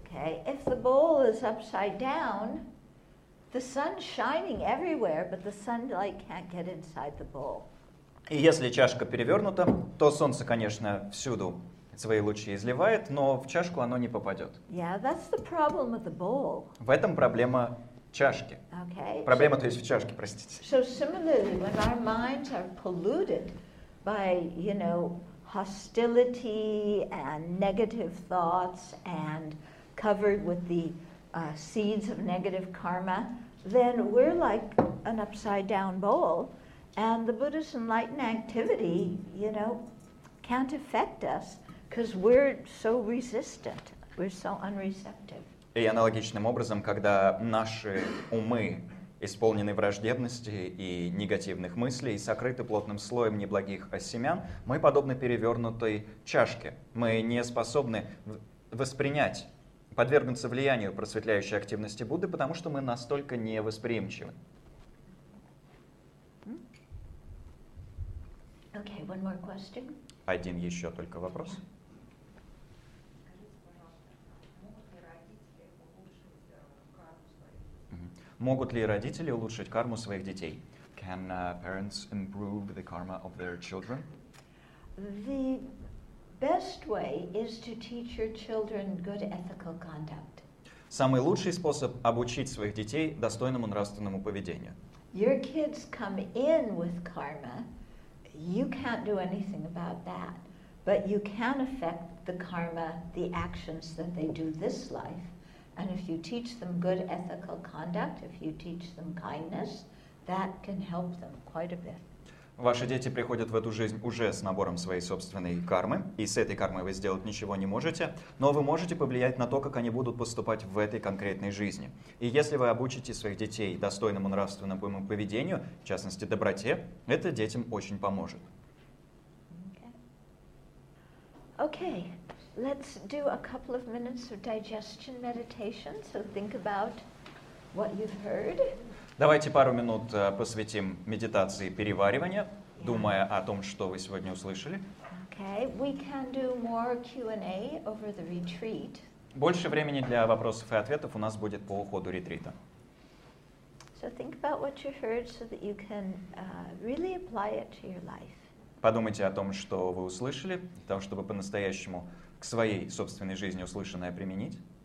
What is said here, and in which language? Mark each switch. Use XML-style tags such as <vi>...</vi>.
<en>Okay. If the bowl is upside down, the sun's shining everywhere, but the sunlight can't get inside the bowl.</en> <ru>И если чашка перевернута, то солнце, конечно, всюду свои лучи изливает, но в чашку оно не попадет.</ru> <en>Yeah, that's the problem of the bowl.</en> <ru>В этом проблема чашки.</ru> <en>Okay.</en> <ru>Проблема, то есть в чашке, простите.</ru> <en>So similarly, when our minds are polluted by, you know, hostility and negative thoughts and covered with the seeds of negative karma, then we're like an upside down bowl, and the Buddha's enlightened activity, you know, can't affect us because we're so resistant, we're so unreceptive.</en> <ru>И аналогичным образом, когда наши умы исполнены враждебности и негативных мыслей, сокрыты плотным слоем неблагих семян, мы подобны перевернутой чашке. Мы не способны воспринять, подвергнуться влиянию просветляющей активности Будды, потому что мы настолько невосприимчивы.</ru> <en>Okay, one more question.</en> <ru>Один еще только вопрос. Могут ли родители улучшить карму своих детей?</ru> <en>Can parents improve the karma of their children? The best way is to teach your children good ethical conduct.</en> <ru>Самый лучший способ обучить своих детей достойному нравственному поведению.</ru> <en>Your kids come in with karma. You can't do anything about that. But you can affect the karma, the actions that they do this life. And if you teach them good ethical conduct, if you teach them kindness, that can help them quite a bit.</en> <ru>Ваши дети приходят в эту жизнь уже с набором своей собственной кармы, и с этой кармой вы сделать ничего не можете, но вы можете повлиять на то, как они будут поступать в этой конкретной жизни. И если вы обучите своих детей достойному нравственному поведению, в частности, доброте, это детям очень поможет.</ru> <en>Okay. Let's do a couple of minutes of digestion meditation, so think about what you've heard.</en> <ru>Давайте пару минут посвятим медитации переваривания,</ru> <en>yeah.</en> <ru>думая о том, что вы сегодня услышали.</ru> <en>Okay, we can do more Q&A over the retreat.</en> <ru>Больше времени для вопросов и ответов у нас будет по уходу ретрита.</ru> <en>So think about what you heard so that you can really apply it to your life.</en> <ru>Подумайте о том, что вы услышали, для того, чтобы по-настоящему к своей собственной жизни услышанное применить.</ru>